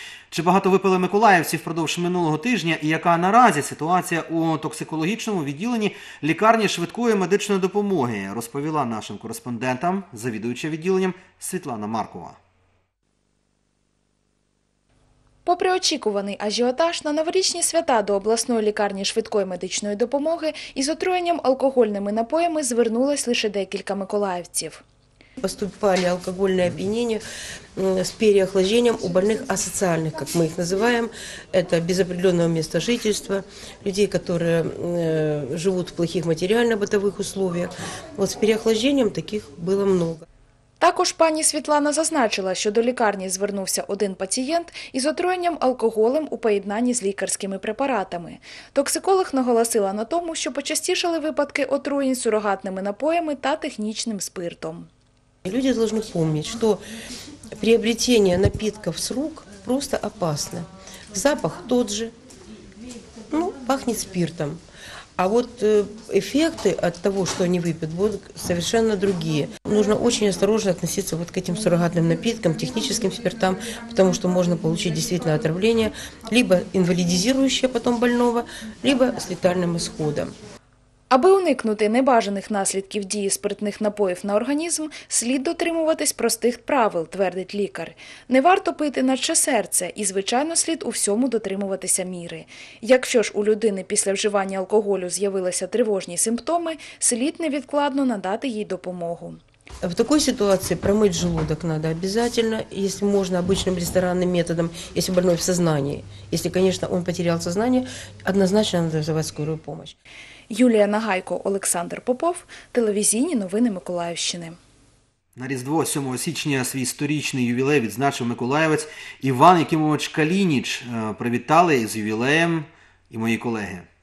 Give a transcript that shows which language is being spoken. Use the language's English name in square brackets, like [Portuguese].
[Ukrainian] Чи багато випили миколаївці впродовж минулого тижня і яка наразі ситуація у токсикологічному відділенні лікарні швидкої медичної допомоги, розповіла нашим кореспондентам завідуюча відділенням Світлана Маркова. Попри очікуваний ажіотаж, на новорічні свята до обласної лікарні швидкої медичної допомоги із отруєнням алкогольними напоями звернулось лише декілька миколаївців. [Russian] Поступали алкогольные опьянения с переохлаждением у больных асоциальных, как мы их называем. Это без определенного места жительства, людей, которые живут в плохих материально-бытовых условиях. Вот с переохлаждением таких было много. [Ukrainian] Також пані Світлана зазначила, що до лікарні звернувся один пацієнт із отруєнням алкоголем у поєднанні з лікарськими препаратами. Токсиколог наголосила на тому, що почастішали випадки отруєнь сурогатними напоями та технічним спиртом. [Russian] Люди должны помнить, что приобретение напитков с рук просто опасно. Запах тот же, ну, пахнет спиртом. А вот эффекты от того, что они выпьют, будут совершенно другие. Нужно очень осторожно относиться вот к этим суррогатным напиткам, техническим спиртам, потому что можно получить действительно отравление, либо инвалидизирующее потом больного, либо с летальным исходом. [Ukrainian] Аби уникнути небажаних наслідків дії спиртних напоїв на організм, слід дотримуватись простих правил, твердить лікар. Не варто пити наче серце і, звичайно, слід у всьому дотримуватися міри. Якщо ж у людини після вживання алкоголю з'явилися тривожні симптоми, слід невідкладно надати їй допомогу. В такой ситуации промыть желудок надо обязательно, если можно, обычным ресторанным методом, если больной в сознании. Если, конечно, он потерял сознание, однозначно надо вызывать скорую помощь. Юлія Нагайко, Олександр Попов, телевізійні новини Миколаївщини. На Різдво 7 січня свій 100-річний ювілей відзначив миколаївець Іван Якимович Калініч. Привітали з ювілеєм і мої колеги.